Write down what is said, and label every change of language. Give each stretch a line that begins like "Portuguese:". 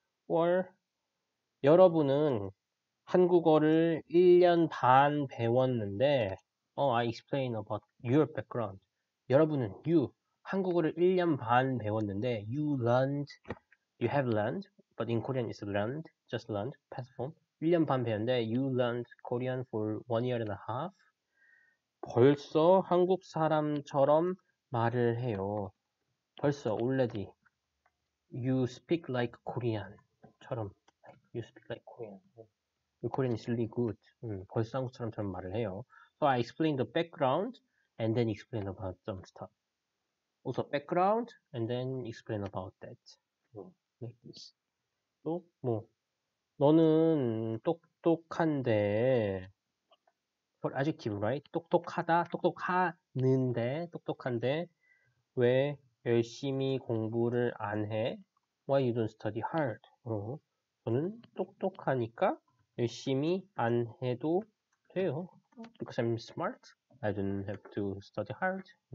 English: Well,
Korean: 여러분은 한국어를 1년 반 배웠는데,
English: I explain about your background. 여러분은 you
Korean: 한국어를 1년 반 배웠는데,
English: you have learned, but in Korean it's learned, just learned, past form.
Korean: 1년 반 배웠는데,
English: you learned Korean for 1 year and a half.
Korean: 벌써 한국 사람처럼 말을 해요.
English: 벌써 already. You speak like Korean처럼. You speak like Korean. Korean is really good.
Korean: 벌써 한국처럼처럼 말을 해요.
English: So I explain the background and then explain about some stuff. Also background and then explain about that. Like this.
Korean: 또 뭐? 너는 똑똑한데.
English: For adjective, right?
Korean: 똑똑하다, 똑똑하는데, 똑똑한데 왜 열심히 공부를 안 해?
English: Why you don't study hard?
Korean: 저는 똑똑하니까 열심히 안 해도 돼요.
English: Because I'm smart, I don't have to study hard.